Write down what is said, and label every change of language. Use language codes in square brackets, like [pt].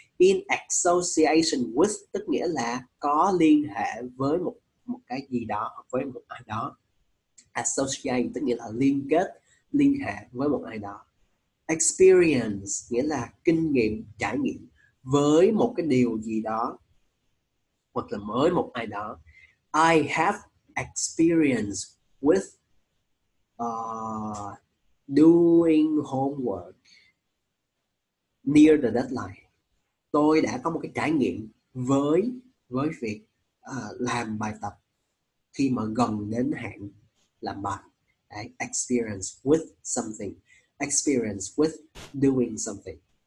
[vi] In association with tức nghĩa là có liên hệ với một cái gì đó, với một ai đó. Associate tức nghĩa là liên kết, liên hệ với một ai đó. Experience nghĩa là kinh nghiệm, trải nghiệm với một cái điều gì đó hoặc là với một ai đó. [en] I have experience with doing homework near the deadline. [vi] Tôi đã có một cái trải nghiệm với việc làm bài tập khi mà gần đến hạn làm bài. Đấy, experience with something, experience with doing something.